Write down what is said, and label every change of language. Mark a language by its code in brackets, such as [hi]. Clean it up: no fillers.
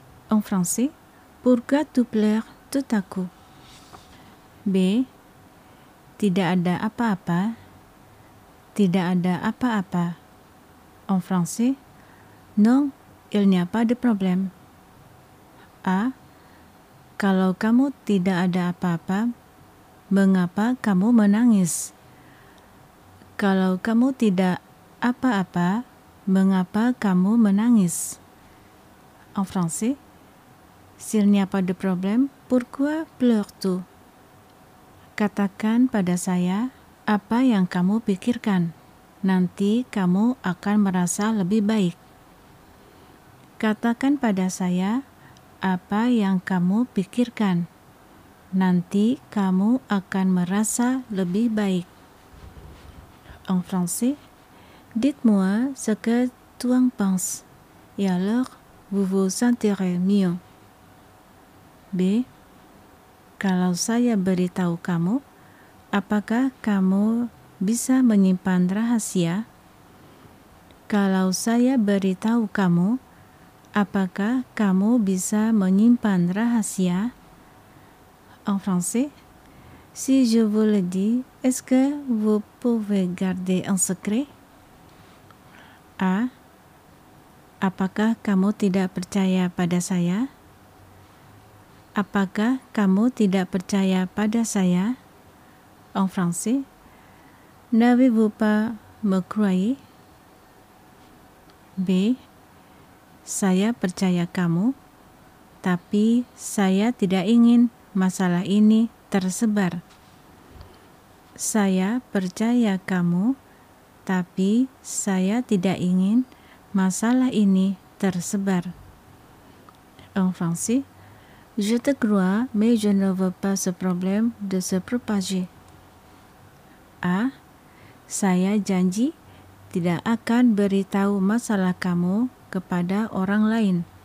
[fr] En français, pourquoi tu pleures tout à coup? B. [id] Tidak ada apa-apa. Tidak ada apa-apa. [fr] En français, non, il n'y a pas de problème. A. [id] Kalau kamu tidak ada apa-apa, mengapa kamu menangis? Kalau kamu tidak apa-apa, mengapa kamu menangis? [fr] En français, s'il n'y a pas de problème, pourquoi pleures-tu? [id] Katakan pada saya apa yang kamu pikirkan. Nanti kamu akan merasa lebih baik. Katakan pada saya apa yang kamu pikirkan. Nanti kamu akan merasa lebih baik. [fr] En français, dites-moi ce que tu en penses. Et alors, vous vous sentirez mieux. B. [id] Kalau saya beritahu kamu, apakah kamu bisa menyimpan rahasia? Kalau saya beritahu kamu, apakah kamu bisa menyimpan rahasia? [fr] En français, si je vous le dis, est-ce que vous pouvez garder un secret? A. [id] Apakah kamu tidak percaya pada saya? Apakah kamu tidak percaya pada saya? [fr] En français, n'avez-vous pas me croyez? B. [id] Saya percaya kamu, tapi saya tidak ingin masalah ini tersebar. Saya percaya kamu, tapi saya tidak ingin masalah ini tersebar. [fr] En français, je te crois, mais je ne veux pas ce problème de se propager. [id] A. Saya janji tidak akan beritahu masalah kamu kepada orang lain.